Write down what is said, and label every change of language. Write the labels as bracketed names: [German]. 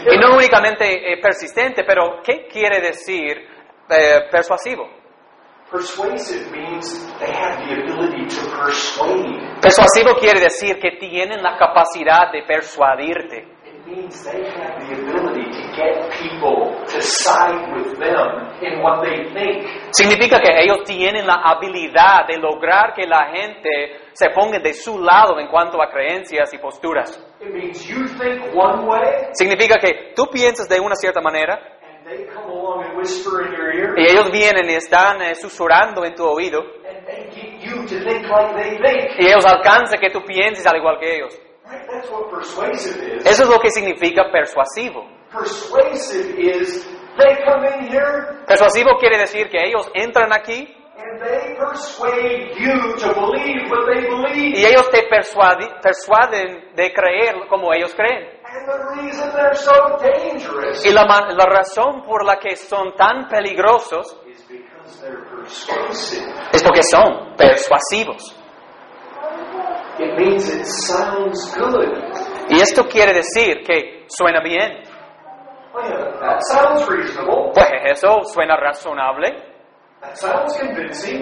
[Spanish] Y no únicamente persistente, pero ¿qué quiere decir persuasivo? [English] Persuasive means they have the ability to persuade. [Spanish] Persuasivo quiere decir que tienen la capacidad de persuadirte. [English] Means they have the ability to get people to side with them in what they think. [Spanish] Significa que ellos tienen la habilidad de lograr que la gente se ponga de su lado en cuanto a creencias y posturas. [English] It means you think one way. [Spanish] Significa que tú piensas de una cierta manera. [English] And they come along and whisper in your ear. [Spanish] Y ellos vienen y están susurrando en tu oído. [English] And they get you to think like they think. [Spanish] Y ellos alcanzan que tú pienses al igual que ellos. [English] That's what persuasive is. [Spanish] Eso es lo que significa persuasivo. [English] Persuasive is they come in here. [Spanish] Persuasivo quiere decir que ellos entran aquí. [English] And they persuade you to believe what they believe. [Spanish] Y ellos te persuaden de creer como ellos creen. [English] And the reason they're so dangerous. [Spanish] Y la razón por la que son tan peligrosos [English] is because they're persuasive. [Spanish] Es porque son persuasivos. [English] It means it sounds good. [Spanish] Y esto quiere decir que suena bien. [English] Well, yeah, that sounds reasonable. [Spanish] Pues eso suena razonable. [English] That sounds convincing.